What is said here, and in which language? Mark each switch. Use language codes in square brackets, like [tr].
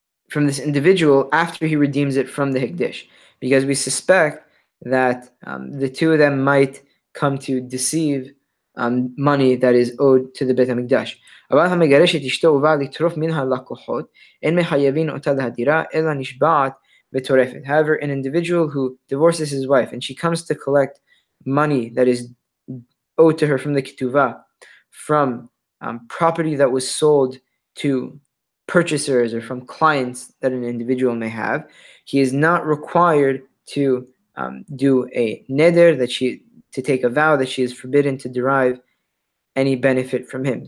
[en] From this individual after he redeems it from the Hekdesh. Because we suspect that the two of them might come to deceive money that is owed to the Beit HaMikdash. [he] אבל המגרשת אשתו ובא לטרוף מן הלקוחות, אין מחייבין אותה להדירה, אלא נשבעת בטורפת. [en] However, an individual who divorces his wife and she comes to collect money that is owed to her from the ketuvah, from property that was sold to purchasers or from clients that an individual may have, he is not required to do a neder, to take a vow that she is forbidden to derive any benefit from him.